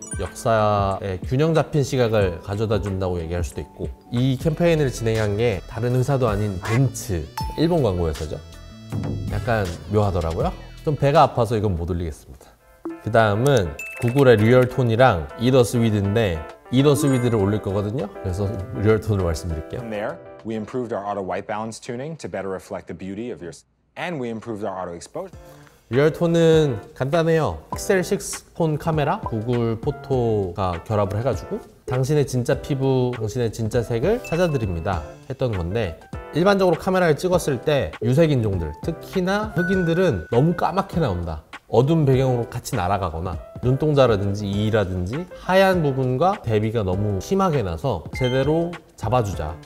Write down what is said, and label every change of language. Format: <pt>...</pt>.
<ko>역사의 균형 잡힌 시각을 가져다 준다고 얘기할 수도 있고, 이 캠페인을 진행한 게 다른 회사도 아닌 벤츠, 일본 광고회사죠. 약간 묘하더라고요. 좀 배가 아파서 이건 못 올리겠습니다. 그 다음은 구글의 리얼톤이랑 이더스위드인데, 이더스위드를 올릴 거거든요. 그래서 리얼톤을 말씀드릴게요.</ko> <en>We improved our auto white balance tuning to better reflect the beauty of your, and we improved our auto exposure.</en> <ko>리얼토는 간단해요. 픽셀 6폰 카메라, 구글 포토가 결합을 해가지고 당신의 진짜 피부, 당신의 진짜 색을 찾아드립니다 했던 건데, 일반적으로 카메라를 찍었을 때 유색인종들, 특히나 흑인들은 너무 까맣게 나온다. 어두운 배경으로 같이 날아가거나 눈동자라든지 이라든지 하얀 부분과 대비가 너무 심하게 나서 제대로 잡아주자.</ko>